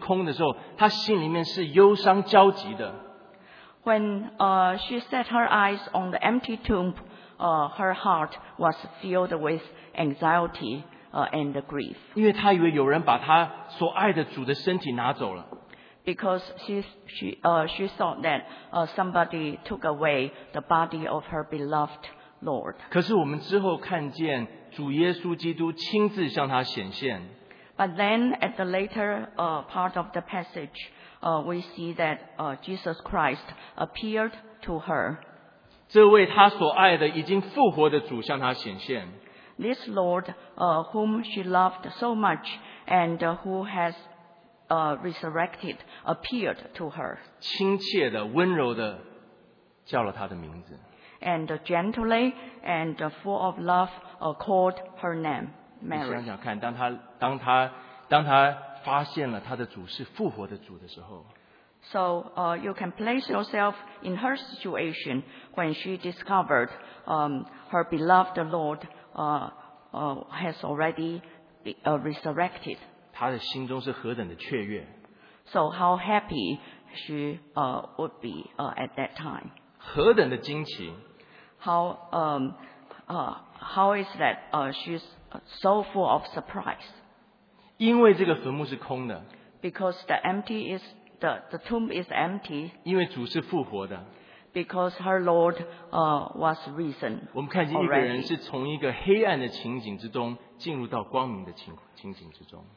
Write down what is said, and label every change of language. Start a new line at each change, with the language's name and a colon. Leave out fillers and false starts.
Chinese: 当她一开始看到这个坟墓是空的时候，她心里面是忧伤焦急的。
English: When she set her eyes on the empty tomb, her heart was filled with anxiety and grief.
Chinese: 因为她以为有人把她所爱的主的身体拿走了。
English: Because she thought that somebody took away the body of her beloved Lord.
Chinese: 可是我们之后看见主耶稣基督亲自向她显现。
English: But then at the later part of the passage, we see that Jesus Christ appeared to her.
Chinese: 这位她所爱的已经复活的主向她显现。
English: This Lord, whom she loved so much and who has resurrected, appeared to her.
Chinese: 亲切的温柔的叫了她的名字。
English: And gently and full of love, called her name, Mary.
Chinese: 你想想看，当他发现了他的主是复活的主的时候。
English: So, you can place yourself in her situation when she discovered, her beloved Lord, has already resurrected.
Chinese: 他的心中是何等的雀跃。
English: So, how happy she would be at that time?
Chinese: 何等的惊奇。
English: How is that? She's so full of surprise.
Chinese: 因为这个坟墓是空的。
English: Because the empty is the tomb is empty.
Chinese: 因为主是复活的。
English: Because her Lord was risen.
Chinese: 我们看见一个人是从一个黑暗的情景之中进入到光明的情景之中。